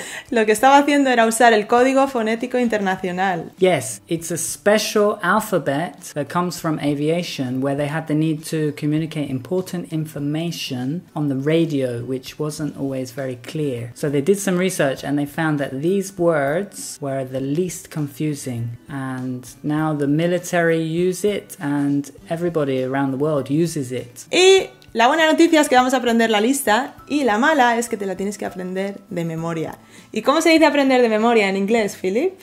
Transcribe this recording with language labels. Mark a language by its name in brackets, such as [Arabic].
[Spanish] Lo que estaba haciendo era usar el código fonético internacional. [English] Yes, it's a special alphabet that comes from aviation where they had the need to communicate important information on the radio, which wasn't always very clear. So they did some research and they found that these words were the least confusing. And now the military use it and everybody around the world uses it. [Spanish] Y la buena noticia es que vamos a aprender la lista y la mala es que te la tienes que aprender de memoria. ¿Y cómo se dice aprender de memoria en inglés, Philip?